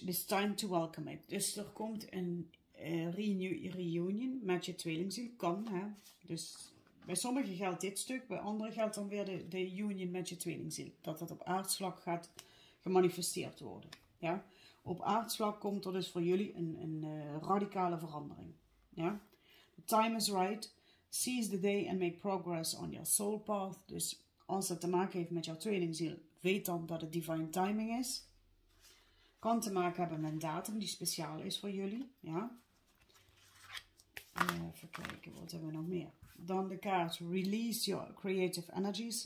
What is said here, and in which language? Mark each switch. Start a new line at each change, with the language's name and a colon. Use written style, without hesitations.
English: It is time to welcome it.
Dutch: Dus er komt een reunion met je tweelingziel. Kan, hè. Dus bij sommigen geldt dit stuk. Bij anderen geldt dan weer de union met je tweelingziel. Dat op aardsvlak gaat gemanifesteerd worden. Ja. Op aardsvlak komt er dus voor jullie een radicale verandering.
English: Ja. The time is right. Seize the day and make progress on your soul path.
Dutch: Dus als dat te maken heeft met jouw tweelingziel, weet dan dat het divine timing is. Kan te maken hebben met een datum die speciaal is voor jullie. Ja. Even kijken, wat hebben we nog meer? Dan de kaart,
English: release your creative energies.